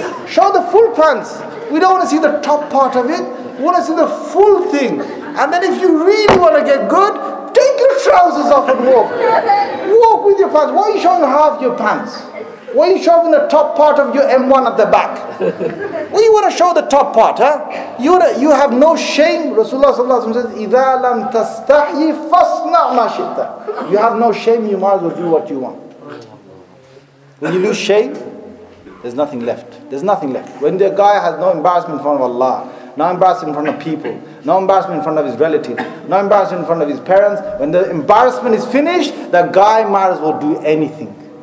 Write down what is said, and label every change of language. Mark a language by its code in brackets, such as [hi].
[en] Show the full pants. We don't want to see the top part of it. We want to see the full thing. And then if you really want to get good, take your trousers off and walk. Walk with your pants. Why are you showing half your pants? Why are you showing the top part of your M1 at the back? Well, you want to show the top part, huh? You have no shame. [ar] Rasulullah sallallahu alaihi wasallam says, إِذَا لَمْ تَسْتَحْيِ فَاسْنَعْ مَا شِئْتَ. [en] You have no shame, you might as well do what you want. When you lose shame, there's nothing left. There's nothing left. When the guy has no embarrassment in front of Allah, no embarrassment in front of people, no embarrassment in front of his relatives, no embarrassment in front of his parents, when the embarrassment is finished, the guy might as well do anything.